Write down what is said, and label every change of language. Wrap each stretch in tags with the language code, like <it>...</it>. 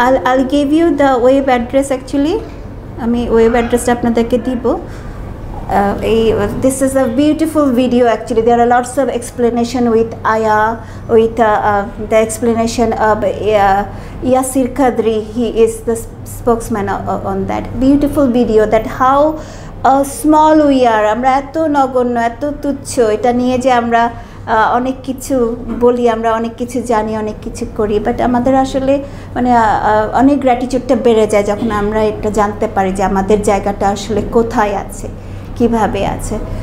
<en>I give you the web address,</en> <bn>actually আমি web অ্যাড্রেসটা আপনাদেরকে দিব,</bn> <en>This is a beautiful video actually. There are lots of explanation with ayah, with the explanation of Yasir Kadri. He is the spokesman on that beautiful video, that how small we are.</en> <bn>Amra eto nagonno, eto tuchho, eta niye je amra অনেক কিছু বলি, আমরা অনেক কিছু জানি, অনেক কিছু করি, বাট আমাদের আসলে মানে অনেক গ্র্যাটিচিউডটা বেড়ে যায় যখন আমরা এটা জানতে পারি যে আমাদের জায়গাটা আসলে কোথায় আছে, কীভাবে আছে।</bn>